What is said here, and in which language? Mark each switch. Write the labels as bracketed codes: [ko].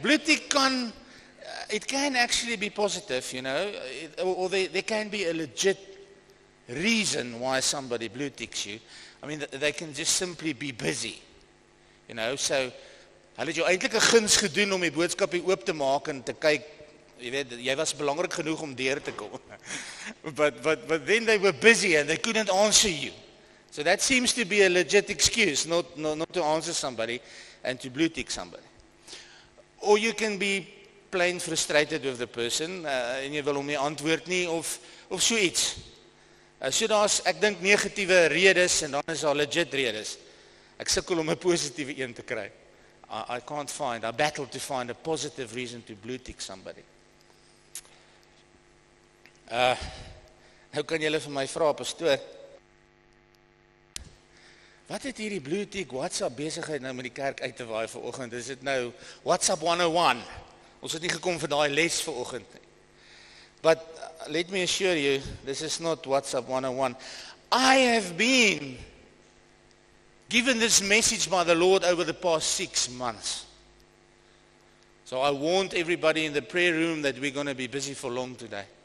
[en] Blue-tick [af] kan [en] it can actually be positive, you know? Or there can be a legit reason why somebody blue-ticks you. I mean they can just simply be busy. You know? [af] So hulle het jou eintlik 'n guns gedoen om die boodskap hier oop te maak en te kyk. Jy weet, jy was belangrik genoeg om deur te kom. [en] But then they were busy and they couldn't answer you. So that seems to be a legit excuse not to answer somebody and to blue tick somebody. Or you can be plain frustrated with the person [af] en jy wil hom nie antwoord nie of so iets. So daar's, ek dink, negatiewe redes en dan is daar legit redes. Ek sukkel om 'n positiewe een te kry. [en] I battle to find a positive reason to blue tick somebody. [af] Nou kan julle vir my vra, pastoor, wat het hierdie blue-tick WhatsApp besigheid nou met die kerk uit te waai vir oggend? Is dit nou WhatsApp 101? Ons het nie gekom vir die les vir oggend. [en] But let me assure you, this is not WhatsApp 101. I have been given this message by the Lord over the past 6 months. So I warned everybody in the prayer room that we're going to be busy for long today.